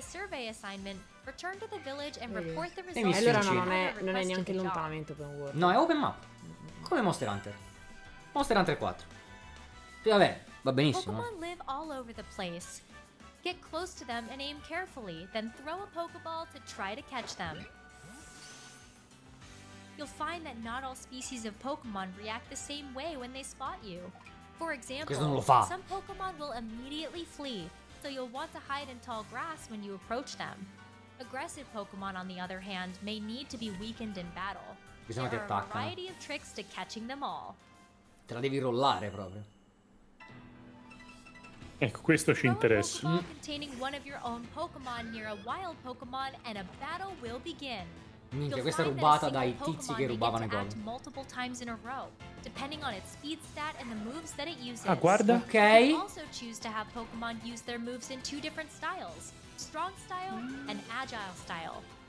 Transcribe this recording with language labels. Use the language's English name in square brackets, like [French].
[English] survey assignment, return to the village and report the results. [Italian] E allora non è neanche lontanamente open world. No, è open map. Come Monster Hunter. Monster Hunter 4. Sì, vabbè, va benissimo. [English] Pokemon live all over the place. Get close to them and aim carefully, then throw a Pokeball to try to catch them. You'll find that not all species of Pokemon react the same way when they spot you. For example, some Pokemon will immediately flee, so you'll want to hide in tall grass when you approach them. Aggressive Pokemon, on the other hand, may need to be weakened in battle. Bisogna there are a variety of tricks to catching them all. [Italian] Te la devi rollare proprio. Ecco, questo ci interessa. Minchia, questa è rubata dai tizi che rubavano i goblin. [English] Times in a row, depending on its speed stat and the moves that it uses. [Italian] Ah, guarda. Ok. [English] Also choose to have Pokemon use their moves in two different styles: strong style and agile style.